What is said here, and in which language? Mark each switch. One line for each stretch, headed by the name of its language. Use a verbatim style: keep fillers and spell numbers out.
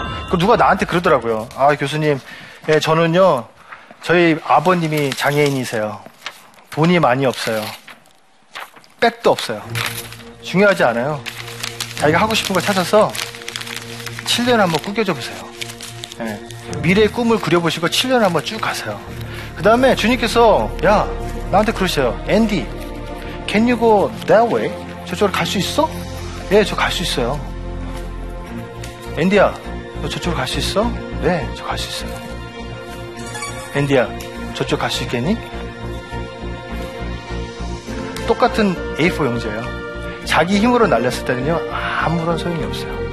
Korean: 그 누가 나한테 그러더라고요. 아, 교수님, 예, 저는요, 저희 아버님이 장애인이세요. 돈이 많이 없어요. 백도 없어요. 중요하지 않아요. 자기가 하고 싶은 걸 찾아서 칠 년 한번 꾸겨줘 보세요. 예, 미래의 꿈을 그려보시고 칠 년 한번 쭉 가세요. 그 다음에 주님께서 야, 나한테 그러세요.
English: 앤디, can you go that way?
Korean: 저쪽으로 갈 수 있어? 네, 저 갈 수 있어요. 앤디야, 너 저쪽으로 갈 수 있어? 네, 저 갈 수 있어요. 앤디야, 저쪽 갈 수 있겠니? 똑같은 에이 사 용지예요. 자기 힘으로 날렸을 때는요, 아무런 소용이 없어요.